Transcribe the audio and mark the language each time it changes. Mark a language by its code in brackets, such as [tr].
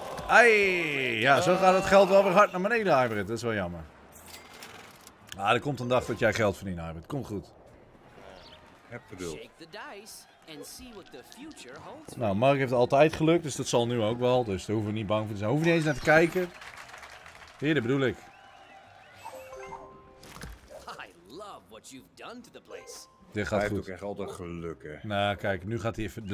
[nl] Ai, ja, zo gaat het geld wel weer hard naar beneden, Hybrid. Dat is wel jammer. Ah, er komt een dag dat jij geld verdient, Hybrid. Komt goed. Heb geduld. [en] And see what the future holds. [nl] Nou, Mark heeft altijd geluk, dus dat zal nu ook wel. Dus daar hoeven we niet bang voor te zijn. Hoeven we niet eens naar te kijken. Hier, dat bedoel ik. [en] I love what you've done to the place. [nl] Dit gaat hij goed. Hij heeft ook echt altijd geluk, hè. Nou, kijk, nu gaat hij even...